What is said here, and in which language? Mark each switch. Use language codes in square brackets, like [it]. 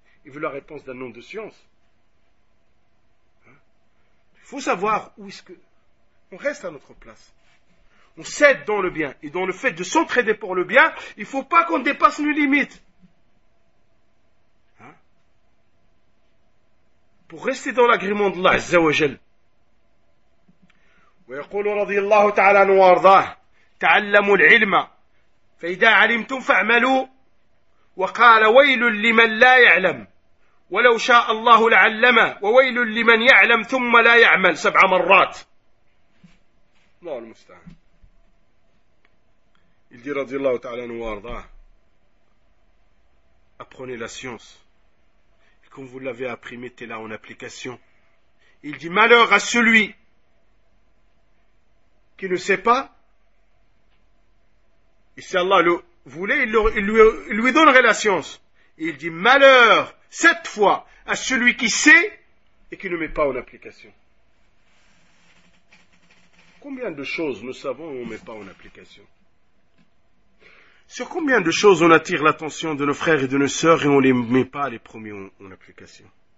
[fr] Il veut la réponse d'un homme de science. Il faut savoir où est-ce que On reste à notre place. On cède dans le bien. Et dans le fait de s'entraider pour le bien, il ne faut pas qu'on dépasse nos limites. Hein? Pour rester dans l'agrément d'Allah, Azza wa Jal. [ar] ويقول رضي الله تعالى عنه وارضاه تعلموا العلم فإذا علمتم فاعملوا وقال ويل لمن لا يعلم ولو شاء الله لعلمه وويل لمن يعلم ثم لا يعمل سبع مرات الله المستعان [fr] il dit [ar] رضي الله تعالى عنه وارضاه [fr] apprenez la science comme vous l'avez appris mettez-la en application il dit malheur à celui qui ne sait pas, et si Allah le voulait, il lui donnerait la science. Et il dit, malheur, cette fois, à celui qui sait, et qui ne met pas en application. Combien de choses nous savons et on ne met pas en application? Sur combien de choses on attire l'attention de nos frères et de nos sœurs et on ne les met pas les premiers en application?